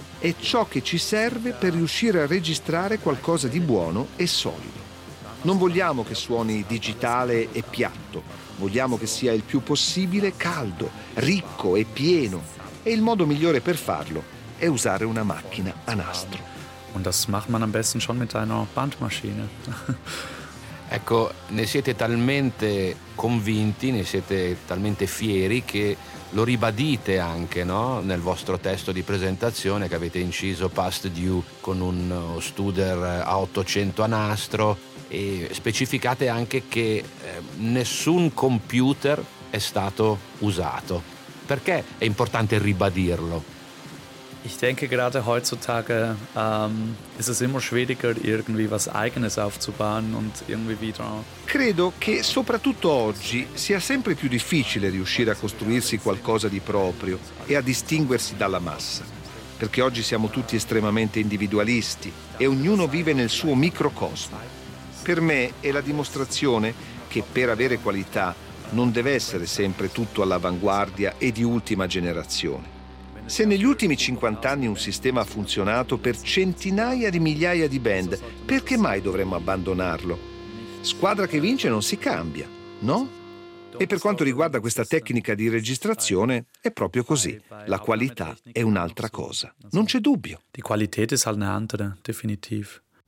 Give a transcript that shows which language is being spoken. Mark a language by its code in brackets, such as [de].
[it] È ciò che ci serve per riuscire a registrare qualcosa di buono e solido. Non vogliamo che suoni digitale e piatto. Vogliamo che sia il più possibile caldo, ricco e pieno. E il modo migliore per farlo è usare una macchina a nastro. [de] Und das macht man am besten schon mit einer Bandmaschine. [it] Ecco, ne siete talmente convinti, ne siete talmente fieri che lo ribadite anche, no? Nel vostro testo di presentazione che avete inciso Past Due con un Studer a 800 a nastro e specificate anche che nessun computer è stato usato. Perché è importante ribadirlo? [de] Ich denke gerade heutzutage ist es immer schwieriger irgendwie was eigenes aufzubauen und irgendwie wieder. [it] Credo che soprattutto oggi sia sempre più difficile riuscire a costruirsi qualcosa di proprio e a distinguersi dalla massa, perché oggi siamo tutti estremamente individualisti e ognuno vive nel suo microcosmo. Per me è la dimostrazione che per avere qualità non deve essere sempre tutto all'avanguardia e di ultima generazione. Se negli ultimi 50 anni un sistema ha funzionato per centinaia di migliaia di band, perché mai dovremmo abbandonarlo? Squadra che vince non si cambia, no? E per quanto riguarda questa tecnica di registrazione, è proprio così. La qualità è un'altra cosa, non c'è dubbio. [de] Die Qualität ist eine andere, definitiv.